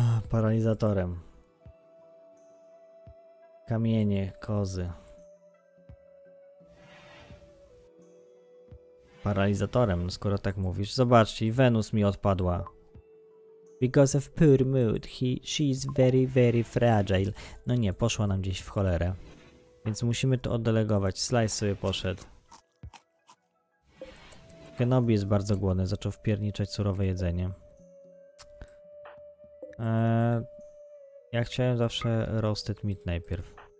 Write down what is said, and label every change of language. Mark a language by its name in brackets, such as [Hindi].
[Polish] Paralizatorem. Kamienie, kozy. Paralizatorem, skoro tak mówisz. Zobaczcie, Venus mi odpadła. [English] Because of poor mood, she's very, very fragile. [Polish] No nie, poszła nam gdzieś w cholerę. Więc musimy to oddelegować. Slice sobie poszedł. Kenobi jest bardzo głodny, zaczął wpierniczać surowe jedzenie. Ja chciałem zawsze [English] roasted meat [Polish] najpierw.